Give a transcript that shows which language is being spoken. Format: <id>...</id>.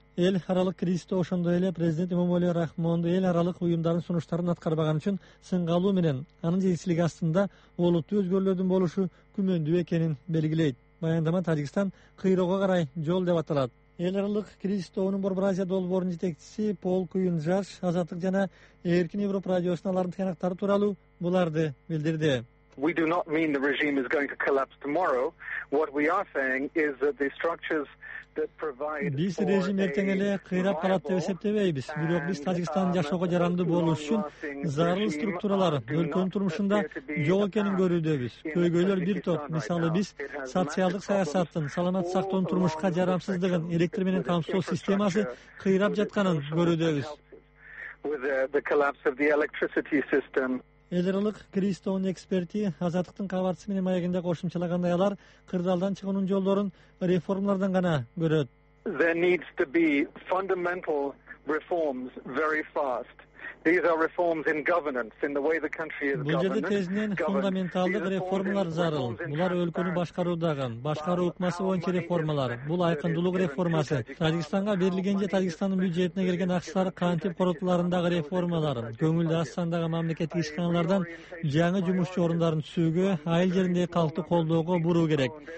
<ky>Эл аралык кризисте ошондой эле президент Эмомали Рахмон эл аралык уюмдардын сунуштарын аткарбаган үчүн сынга алуу менен анын жетекчилиги астында олуттуу өзгөрүүлөрдүн болушу күмөндүү экенин белгилейт. Баяндама Таджикстан кыйроого карай жол деп аталат. Эл аралык кризис тобунун Борбор Азия долбоорунун жетекчиси Пол Куинджаш Азаттык жана Эркин Европа радиосуна алардын тыянактары тууралуу буларды билдирди.</ky> <en>We do not mean the regime is going to collapse tomorrow. What we are saying is that the structures that provide</en> <ky>биз режим эртең эле кыйрап калат деп эсептебейбиз. Бирок биз Таджикстан жашоого жарамдуу болуш үчүн зарыл структуралар өлкөнүн турмушунда жок экенин көрүүдөбүз. Көйгөйлөр бир топ. Мисалы биз социалдык саясаттын, саламат сактоонун турмушка жарамсыздыгын, электр менен камсыздоо системасы кыйрап жатканын көрүүдөбүз. Эл аралык криз тобунун эксперти Азаттыктын кабарчысы менен маегинде кошумчалагандай алар кырдаалдан чыгуунун жолдорун реформалардан гана көрөт.</ky> <en>There needs to be fundamental reforms very fast. These are reforms in governance, in the way the country is governed.</en> <ky>Бул жерде тезинен фундаменталдык реформалар зарыл. Булар өлкөнү башкаруудагы, башкаруу ыкмасы боюнча реформалар. Бул айкындуулук реформасы. Таджикстанга берилген же Таджикстандын бюджетине келген акчалар кантип коротуларындагы реформалар. Көңүлдү Астандагы мамлекеттик ишканалардан жаңы жумушчу орундарын түзүүгө, айыл жериндеги калкты колдоого буруу керек.</ky>